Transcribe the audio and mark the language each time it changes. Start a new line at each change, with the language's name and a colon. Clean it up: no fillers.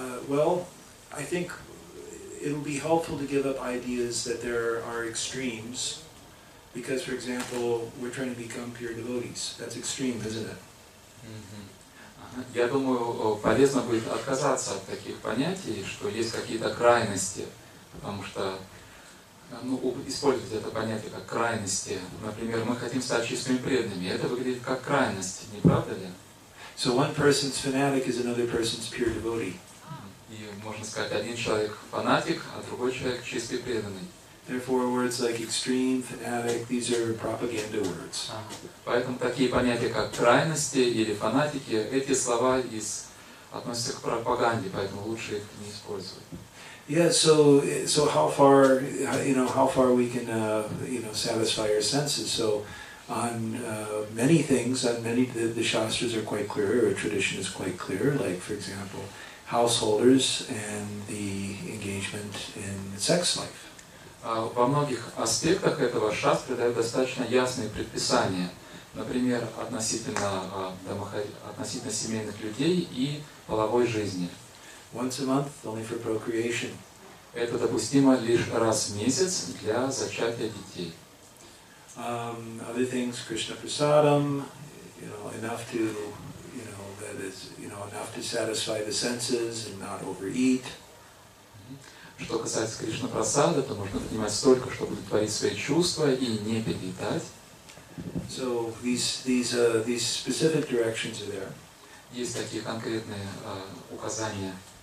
English: Well, I think it'll be helpful to give up ideas that there are extremes, because, for example, we're trying to become pure devotees. That's extreme, isn't it?
Russian: Я думаю, полезно будет отказаться от таких понятий, что есть какие-то крайности, потому что использовать это понятие как крайности. Например, мы хотим стать чистыми преданными. Это выглядит как крайность, не правда ли?
English: So one person's fanatic is another person's pure devotee.
Russian: И можно сказать, один человек фанатик, а другой человек чистый преданный.
English: Therefore, words like extreme, fanatic, these are propaganda words.
Russian: Поэтому такие понятия, как крайности или фанатики, эти слова относятся к пропаганде, поэтому лучше их не использовать.
English: Yeah. So how far, you know, how far we can, you know, satisfy our senses? So. On many things, on many the shastras are quite clear, or tradition is quite clear. Like, for example, householders and the engagement in sex life.
Russian: Во многих аспектах этого шастры дают достаточно ясные предписания. Например, относительно семейных людей и половой жизни.
English: Once a month, only for procreation.
Russian: Это допустимо лишь раз в месяц для зачатия детей.
English: Other things, Krishna prasadam, you know, enough to satisfy the senses and not overeat.
Russian: Что касается Кришна прасада, то нужно принимать столько, чтобы удовлетворить свои чувства и не переедать.
English: So these specific directions are there.
Russian: Есть такие конкретные указания.